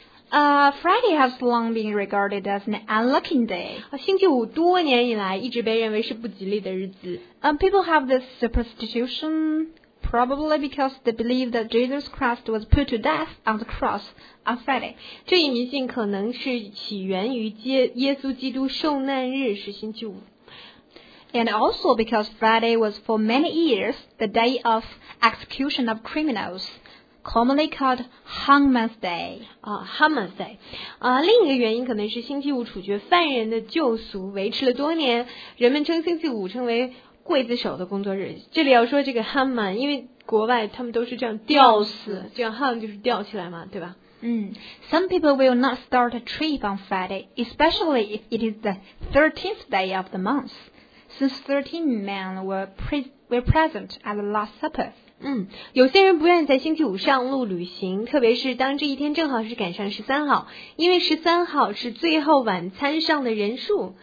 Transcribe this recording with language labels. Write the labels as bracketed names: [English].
[English] Friday has long been regarded as an unlucky day. [Chinese] 星期五多年以来一直被认为是不吉利的日子。 [English] People have this superstition, probably because they believe that Jesus Christ was put to death on the cross on Friday. [Chinese] 这一迷信可能是起源于耶稣基督受难日是星期五。 [English] And also because Friday was for many years the day of execution of criminals, commonly called Hangman's Day. Hangman's Day. [Chinese] 另一个原因可能是星期五处决犯人的旧俗维持了多年，人们称星期五称为刽子手的工作日。这里要说这个 Hangman， 因为国外他们都是这样吊死，这样 hang 就是吊起来嘛，对吧？ [English] Some people will not start a trip on Friday, especially if it is the 13th day of the month. Since 13 men were present at the Last Supper. [Chinese] 有些人不愿意在星期五上路旅行，特别是当这一天正好是赶上13号，因为13号是最后晚餐上的人数。